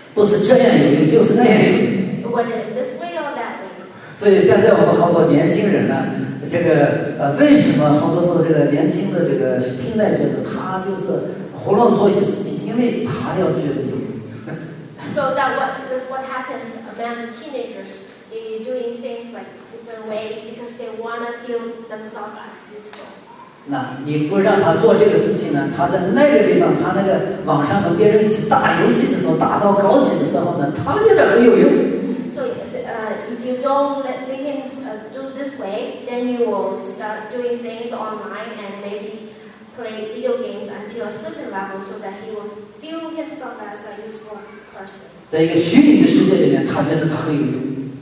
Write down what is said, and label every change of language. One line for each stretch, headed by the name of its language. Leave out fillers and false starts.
Chinese: 不是这样有用，就是那样有用。
English: Whether this way or that way.
Chinese: 所以现在我们好多年轻人呢，这个为什么好多时候这个年轻的这个听来就是他就是胡乱做一些事情，因为他要觉得有用。
English: So that's what happens. men, teenagers, they doing things like different ways because they want to feel themselves as useful.
Chinese: 那你不让他做这个事情呢，他在那个地方，他那个网上和别人一起打游戏的时候，打到高级的时候呢，他觉得很有用。
English: So, if you don't let him do this way, then you will start doing things online and maybe play video games until a certain level so that he will feel himself as a useful person.
Chinese: 在一个虚拟的世界里面，他觉得他很有用。